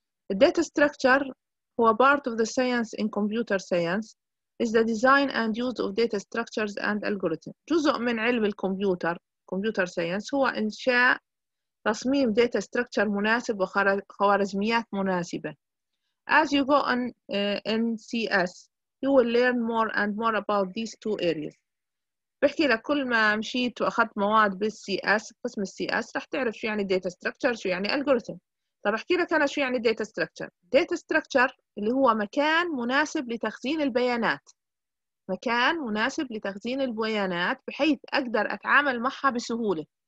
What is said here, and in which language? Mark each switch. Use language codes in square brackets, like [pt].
[en] الداتا ستراكشر هو part of the science in computer science, is the design and use of data structures and algorithm. [ar] جزء من علم الكمبيوتر كمبيوتر ساينس هو انشاء تصميم data structure مناسب وخوارزميات مناسبة. [en] As you go on in CS, you will learn more and more about these two areas. [ar] بحكي لك كل ما مشيت وأخذت مواد بالCS قسم CS رح تعرف شو يعني data structure، شو يعني algorithm. طب أحكي لك أنا شو يعني data structure. Data structure اللي هو مكان مناسب لتخزين البيانات، مكان مناسب لتخزين البيانات بحيث أقدر أتعامل معها بسهولة.